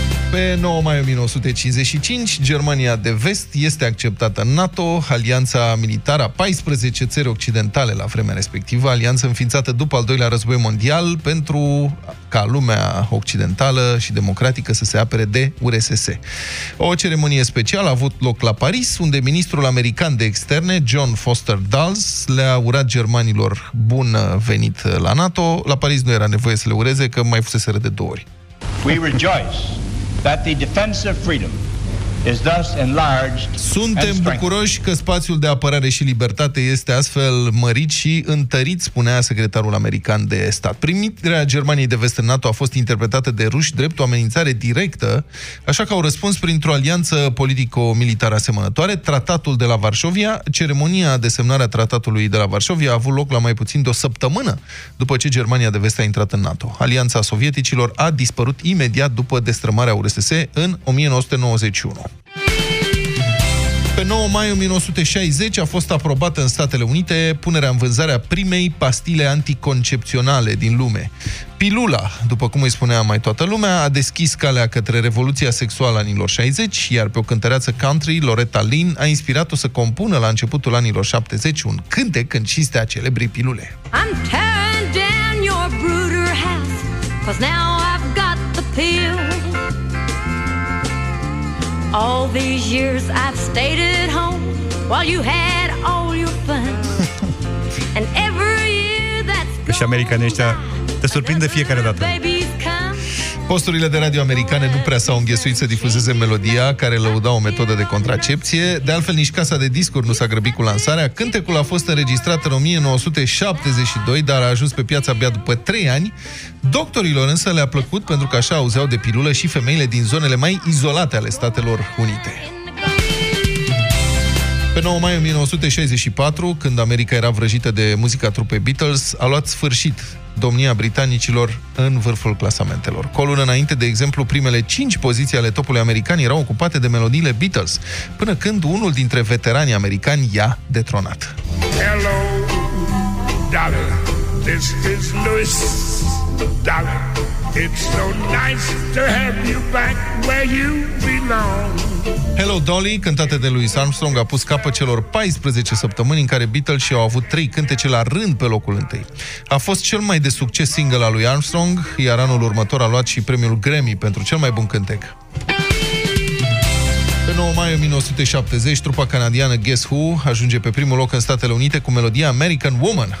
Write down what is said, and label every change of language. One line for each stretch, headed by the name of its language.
Romanian: Pe 9 mai 1955, Germania de Vest este acceptată în NATO, alianța militară a 14 țări occidentale la vremea respectivă, alianță înființată după al doilea război mondial pentru ca lumea occidentală și democratică să se apere de URSS. O ceremonie specială a avut loc la Paris, unde ministrul american de externe, John Foster Dulles, le-a urat germanilor bun venit la NATO. La Paris nu era nevoie să le ureze, că mai fuseseră de două ori.
English: We rejoice that the defense of freedom is thus enlarged.
Romanian: Suntem bucuroși că spațiul de apărare și libertate este astfel mărit și întărit, spunea secretarul american de stat. Primirea Germaniei de Vest în NATO a fost interpretată de ruși drept o amenințare directă, așa că au răspuns printr-o alianță politico-militară asemănătoare, Tratatul de la Varșovia. Ceremonia de semnare a Tratatului de la Varșovia a avut loc la mai puțin de o săptămână după ce Germania de Vest a intrat în NATO. Alianța sovieticilor a dispărut imediat după destrămarea URSS în 1991. Pe 9 mai 1960 a fost aprobată în Statele Unite punerea în vânzare a primei pastile anticoncepționale din lume. Pilula, după cum îi spunea mai toată lumea, a deschis calea către revoluția sexuală anilor 60, iar pe o cântăreață country, Loretta Lynn a inspirat-o să compună la începutul anilor 70 un cântec în cinstea celebrei pilule.
English: I'm tearing down your brooder house, 'cause now I've got the pill. All these years I've stayed at home while you had all your fun. And every year that's gone.
Romanian: Și americanii ăștia te surprind de fiecare dată. Posturile de radio americane nu prea s-au înghesuit să difuzeze melodia care lăuda o metodă de contracepție. De altfel, nici casa de discuri nu s-a grăbit cu lansarea. Cântecul a fost înregistrat în 1972, dar a ajuns pe piață abia după 3 ani. Doctorilor însă le-a plăcut pentru că așa auzeau de pilulă și femeile din zonele mai izolate ale Statelor Unite. Pe 9 mai 1964, când America era vrăjită de muzica trupei Beatles, a luat sfârșit domnia britanicilor în vârful clasamentelor. Cu o lună înainte, de exemplu, primele 5 poziții ale topului american erau ocupate de melodiile Beatles, până când unul dintre veteranii americani i-a detronat.
English: Hello, darling, this is Louis, darling, it's so nice to have you back where you belong.
Romanian: Hello Dolly, cântată de Louis Armstrong, a pus capăt celor 14 săptămâni în care Beatles și-au avut 3 cântece la rând pe locul întâi. A fost cel mai de succes single al lui Armstrong, iar anul următor a luat și premiul Grammy pentru cel mai bun cântec. Pe 9 mai 1970, trupa canadiană Guess Who ajunge pe primul loc în Statele Unite cu melodia American Woman.